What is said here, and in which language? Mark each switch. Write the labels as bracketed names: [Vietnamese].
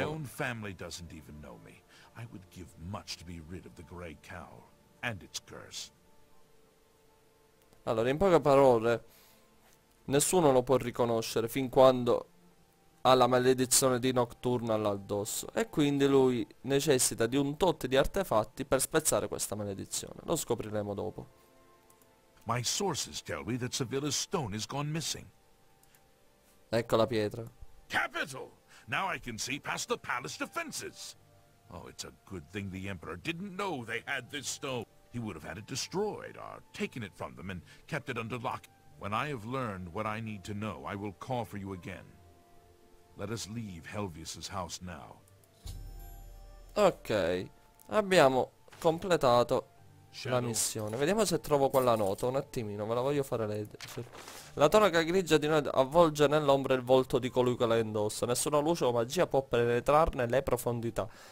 [English] My own family doesn't even know me. I would give much to be rid of the gray cow and its curse. [Italian] Allora, in poche parole, nessuno lo può riconoscere fin quando ha la maledizione di Nocturnal addosso, e quindi lui necessita di un tot di artefatti per spezzare questa maledizione. Lo scopriremo dopo. [English] My sources tell me that Sevilla's stone is gone missing. [Italian] Ecco la pietra. [English] Capital! Now I can see past the palace defenses. Oh, it's a good thing the emperor didn't know they had this stone. He would have had it destroyed or taken it from them and kept it under lock. When I have learned what I need to know, I will call for you again. Let us leave Helvius's house now. [Italian] Ok, abbiamo completato Shadow. La missione. Vediamo se trovo quella nota, un attimino, ve la voglio fare leggere. La tonaca grigia di noi avvolge nell'ombra il volto di colui che la indossa. Nessuna luce o magia può penetrarne le profondità.